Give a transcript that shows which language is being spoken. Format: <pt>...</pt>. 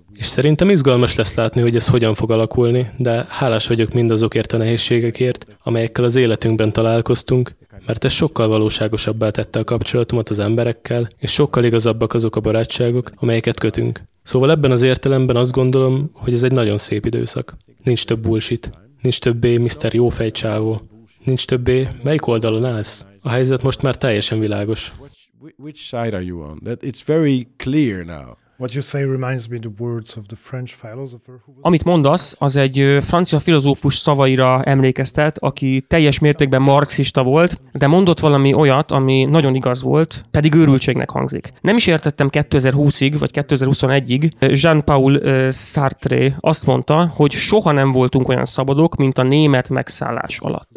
<hu>És szerintem izgalmas lesz látni, hogy ez hogyan fog alakulni, de hálás vagyok mindazokért a nehézségekért, amelyekkel az életünkben találkoztunk, mert ez sokkal valóságosabbá tette a kapcsolatomat az emberekkel, és sokkal igazabbak azok a barátságok, amelyeket kötünk. Szóval ebben az értelemben azt gondolom, hogy ez egy nagyon szép időszak. Nincs több bullshit. Nincs többé Mr. Jófej csávó. Nincs többé, melyik oldalon állsz? A helyzet most már teljesen világos.</hu> <en>Which side are you on? That it's very clear now. What you say reminds me the words of the French philosopher.</en> <hu>Amit mondasz, az egy francia filozófus szavaira emlékeztet, aki teljes mértékben marxista volt, de mondott valami olyat, ami nagyon igaz volt, pedig őrültségnek hangzik. Nem is értettem 2020-ig vagy 2021-ig, Jean-Paul Sartre azt mondta, hogy soha nem voltunk olyan szabadok, mint a német megszállás alatt.</hu>